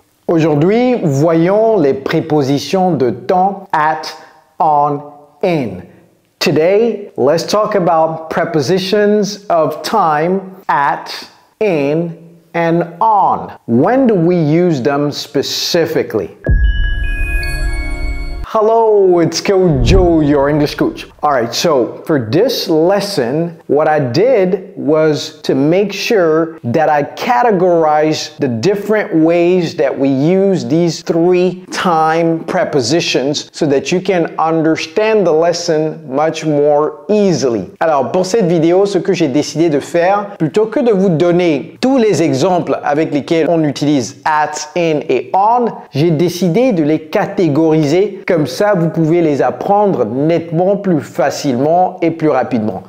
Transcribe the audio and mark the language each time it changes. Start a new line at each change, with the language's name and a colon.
French: Aujourd'hui, voyons les prépositions de temps at, on, in.
English: Today, let's talk about prepositions of time at, in, and on. When do we use them specifically? Hello, it's Coach Joe, your English coach. All right, so for this lesson, what I did was to make sure that I categorized the different ways that we use these three time prepositions so that you can understand the lesson much more easily.
French: Alors, pour cette vidéo, ce que j'ai décidé de faire, plutôt que de vous donner tous les exemples avec lesquels on utilise at, in et on, j'ai décidé de les catégoriser comme ça, vous pouvez les apprendre nettement plus facilement et plus rapidement.